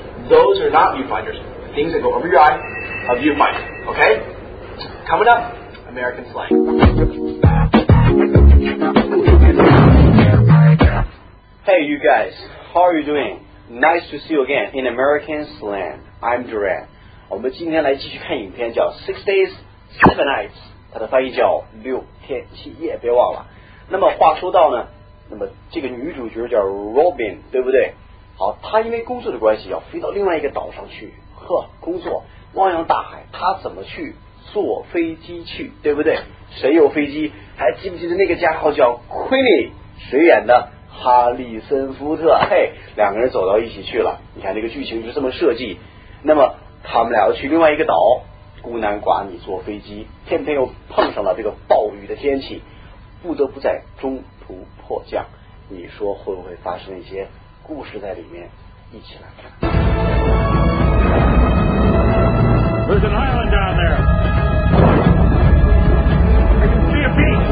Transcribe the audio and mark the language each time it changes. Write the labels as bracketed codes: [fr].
[en] Those are not viewfinders. The things that go over your eye, a viewfinder, okay? Coming up, American Slang. Hey, you guys. How are you doing? Nice to see you again in American Slang. I'm Duran. [zh] 我们今天来继续看影片叫 Six Days, Seven Nights. 它的翻译叫六天七夜，别忘了。那么话说到呢，那么这个女主角叫 Robin, 对不对？好，她因为工作的关系要飞到另外一个岛上去，呵，工作，汪洋大海，她怎么去？坐飞机去，对不对？谁有飞机？还记不记得那个家伙叫 Queenie, 谁演的？哈里森福特，嘿，两个人走到一起去了。你看这个剧情就这么设计。那么他们俩要去另外一个岛，孤男寡女坐飞机，偏偏又碰上了这个暴雨的天气，不得不在中途迫降。你说会不会发生一些故事在里面？一起来看。 [en] There's an island down there. I can see a beach.